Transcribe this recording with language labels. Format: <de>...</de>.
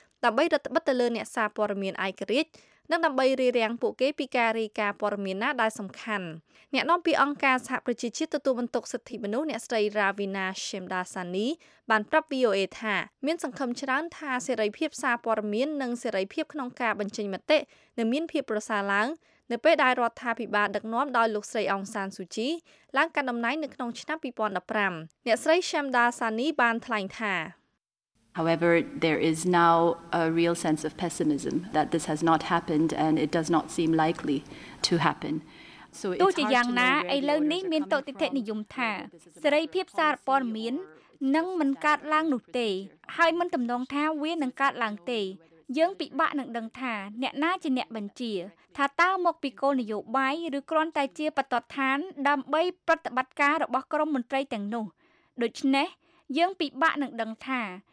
<km>ដើម្បីរឹតបន្តឹងលើអ្នកសារព័ត៌មានឯករាជ្យនិងដើម្បីរារាំងពួកគេពីការរាយការណ៍ព័ត៌មានណាដែលសំខាន់អ្នកនាំពាក្យអង្គការសហប្រជាជាតិទទួលបន្ទុកសិទ្ធិមនុស្សអ្នកស្រី Ravina Shemdasani បានប្រាប់ VOA ថាមានសង្ឃឹមច្រើនថាសេរីភាពសារព័ត៌មាននិងសេរីភាពក្នុងការបញ្ចេញមតិនឹងមានភាពប្រសើរឡើងនៅពេលដែលរដ្ឋាភិបាលដឹកនាំដោយលោកស្រីអង្សានស៊ូជីឡើងកាន់តំណែងនៅក្នុងឆ្នាំ2015អ្នកស្រីឈឹមដាសានីបានថ្លែងថា</km> <en>However there is now a real sense of pessimism that this has not happened and it does not seem likely to happen So it's hard to know where the order is coming from</en> <km>ឥឡូវនេះមានតតិធិនិយមថាសេរីភាពសារព័ត៌មាននឹងមិនកើតឡើងនោះទេហើយមិនទំនងថាវានឹងកើតឡើងទេយើងពិបាកនឹងដឹងថាអ្នកណាជាអ្នកបញ្ជាថាតើមកពីគោលនយោបាយឬគ្រាន់តែជាបទដ្ឋានដើម្បីប្រតិបត្តិការរបស់ក្រុមមន្ត្រីទាំងនោះដូច្នេះយើងពិបាកនឹងដឹងថា</km>